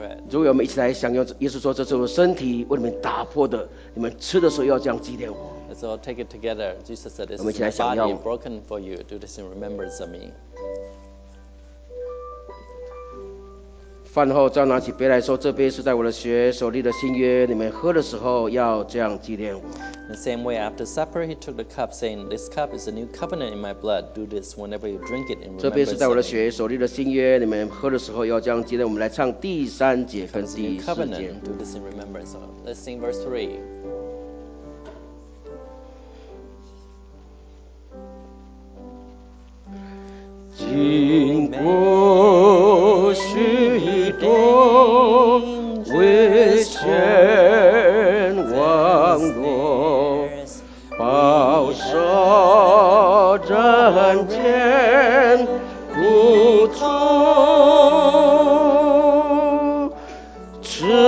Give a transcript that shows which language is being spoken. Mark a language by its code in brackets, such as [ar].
[zh] 如果我们一起来享用，耶稣说，这是我的身体为你们打破的，你们吃的时候要这样纪念我。 [en] Let's all take it together. Jesus said, "This is my body broken for you. Do this in remembrance of me." [zh] 饭后再拿起杯来说，这杯是在我的血所立的新约，你们喝的时候要这样纪念我。 [en] The same way, after supper, he took the cup, saying, "This cup is a new covenant in my blood. Do this whenever you drink it in remembrance." [zh] 这杯是在我的血所立的新约，你们喝的时候要这样纪念。我们来唱第三节跟第四节。 [en] New covenant, do this in remembrance of. Let's sing verse 3. [zh] 经过许多危险网络，饱受战艰苦中，慈